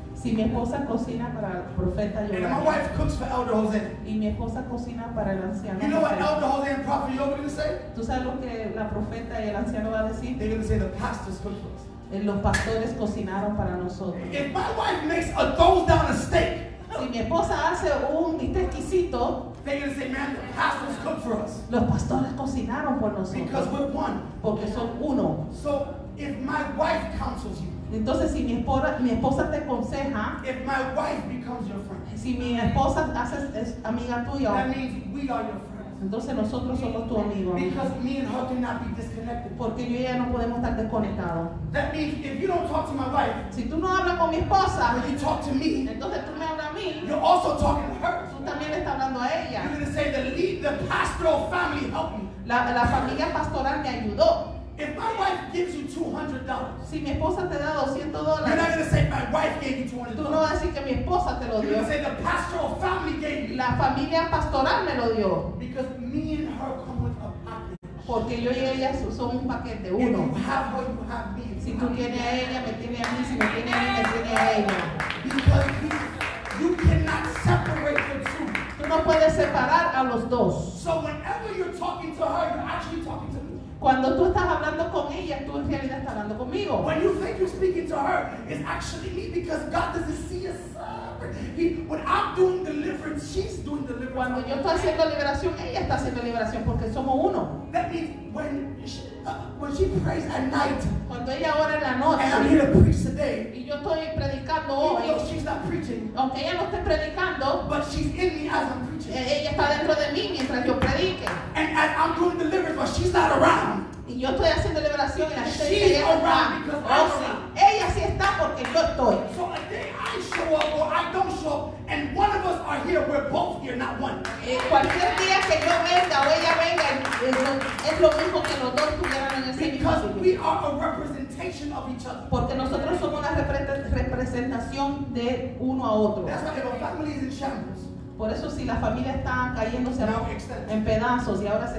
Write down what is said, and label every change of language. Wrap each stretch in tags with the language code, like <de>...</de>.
<es>si mi esposa cocina para el profeta Joel,</es> <en>and my wife cooks for Elder Jose,</en> <es>y mi esposa cocina para el anciano,</es> <en>you know what Elder Jose and Prophet Joel are going to say?</en> <es>¿Tú sabes lo que la profeta y el anciano va a decir?</es> <en>They're going to say the pastors cook for us.</en> <es>Los pastores cocinaron para nosotros.</es> <en>If my wife makes a throws down a steak,</en> <es>si mi esposa hace un bistec exquisito,</es> <en>they're going to say, man, the pastors cook for us.</en> <es>Los pastores cocinaron por nosotros.</es> <en>Because we're one.</en> <es>Porque son uno.</es> <en>So if my wife counsels you.</en> <es>Entonces, si mi esposa te aconseja,</es> <en>if my wife becomes your friend,</en> <es>si mi esposa es amiga tuya,</es> <en>that means we are your friends.</en> <es>Entonces nosotros somos tu amigo.</es> <en>Because me and her cannot be disconnected.</en> <es>Porque yo y ella no podemos estar desconectados.</es> <en>That means if you don't talk to my wife,</en> <es>si tú no hablas con mi esposa,</es> <en>when you talk to me,</en> <es>entonces tú me hablas a mí,</es> <en>you're also talking to her.</en> <es>Tú también estás hablando a ella.</es> <en>You're going to say the pastoral family helped me.</en> <es>La familia pastoral me ayudó.</es> <en>If my wife gives you $200,</en> <es>si mi esposa te da $200,</es> <en>you're not going to say my wife gave you $200.</en> <es>Tú no vas a decir que mi esposa te lo dio.</es> <en>You're going to say the pastoral family gave you.</en> <es>La familia pastoral me lo dio.</es> <en>Because me and her come with a package.</en> <es>Porque yo y ella son un paquete, uno.</es> <en>If you have her, you have me.</en> <es>Si tú tienes a ella, me tiene a mí. Si me tiene a mí, me tiene a ella.</es> <en>Because you cannot separate the two.</en> <es>Tú no puedes separar a los dos.</es> <en>So whenever you're talking to her, you're actually talking to me.</en> <es>Cuando tú estás hablando con ella, tú en realidad estás hablando conmigo.</es> <en>When you think you're speaking to her, it's actually me, because God doesn't see us separate. When I'm doing deliverance, she's doing deliverance.</en> <es>Cuando yo estoy haciendo liberación, ella está haciendo liberación, porque somos uno.</es> <en>That means when she prays at night,</en> <es>cuando ella ora en la noche,</es> <en>and I'm here to preach today,</en> <es>y yo estoy predicando</es> <en>even though she's not preaching,</en> <es>aunque ella no esté predicando,</es> <en>but she's in me as I'm preaching.</en> <es>Ella está dentro de mí mientras yo predique.</es> <en>And as I'm doing deliverance, but she's not around.</en> <es>Y yo estoy haciendo liberación y la gente</es> <en>está. She's around because I'm around.</en> <es>Ella sí está porque yo estoy.</es> <en>So a day I show up or I don't show up, and one of us are here, we're both here, not one.</en> <es>Cualquier día que yo venga o ella venga, es lo mismo que los dos estuvieran en ese mismo sitio.</es> <en>Because we are a representation of each other.</en> <es>Porque nosotros somos una representación de uno a otro.</es> <en>That's why your family is in shambles.</en> <es>Por eso si la familia está cayéndose en pedazos y ahora se</es>